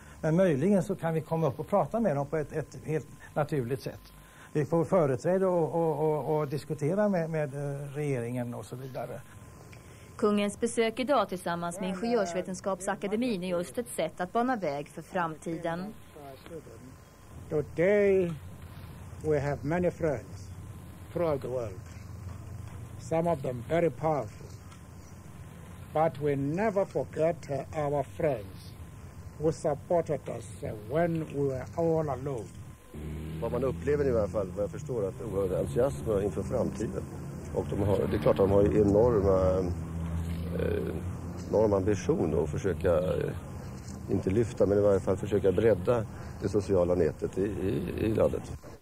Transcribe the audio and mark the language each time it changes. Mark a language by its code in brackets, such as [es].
[sv] Men möjligen så kan vi komma upp och prata med dem på ett helt naturligt sätt. Vi får företräde och diskutera med regeringen och så vidare. Kungens besök idag tillsammans med Ingenjörsvetenskapsakademin är just ett sätt att bana väg för framtiden. [en] Today we have many friends throughout the world. Some of them very powerful. But we never forget our friends who supported us when we were all alone. [sv] Vad man upplever i alla fall, vad jag förstår, att det är oerhörd entusiasm inför framtiden. Och det är klart att de har enorm ambition att försöka, inte lyfta, men i alla fall försöka bredda det sociala nätet i landet.